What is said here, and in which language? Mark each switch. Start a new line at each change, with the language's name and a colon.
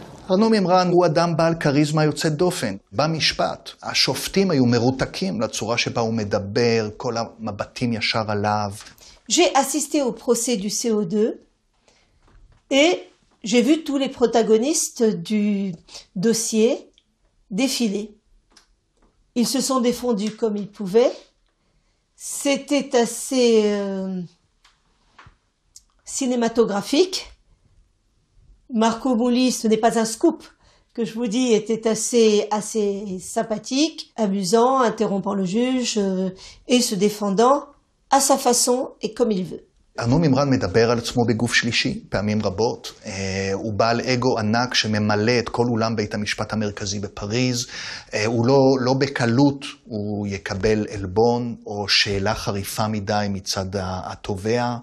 Hebrew: ארנו מימרן הוא אדם בעל קריזמה יוצאת דופן. במשפט, השופטים היו מרותקים לצורה שבה הוא מדבר, כל המבטים ישר עליו.
French: J'ai assisté au procès du CO2 et j'ai vu tous les protagonistes du dossier défiler. Ils se sont défendus comme ils pouvaient. C'était assez cinématographique. Marco Mouly, ce n'est pas un scoop que je vous dis, était assez sympathique, amusant, interrompant le juge et se défendant à sa façon et comme il veut.
Hebrew: ארנו מימרן מדבר על עצמו בגוף שלישי, פעמים רבות. הוא בעל אגו ענק שממלא את כל אולם בית המשפט המרכזי בפריז. הוא לא בקלות הוא יקבל אלבון או שאלה חריפה מדי מצד התובע.